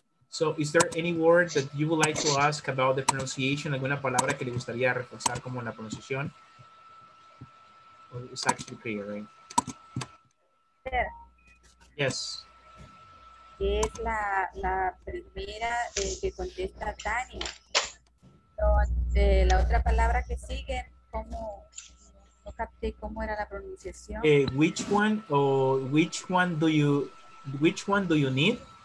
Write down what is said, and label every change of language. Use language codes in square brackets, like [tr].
[en] So is there any word that you would like to ask about the pronunciation? [es] ¿Alguna palabra que le gustaría reforzar como la pronunciación? [en] Or it's actually clear, right? Yeah. Yes. [es] Es la primera que contesta Tania. Entonces, la otra palabra que sigue, como no capté cómo era la pronunciación. [en] Which one or which one do you need?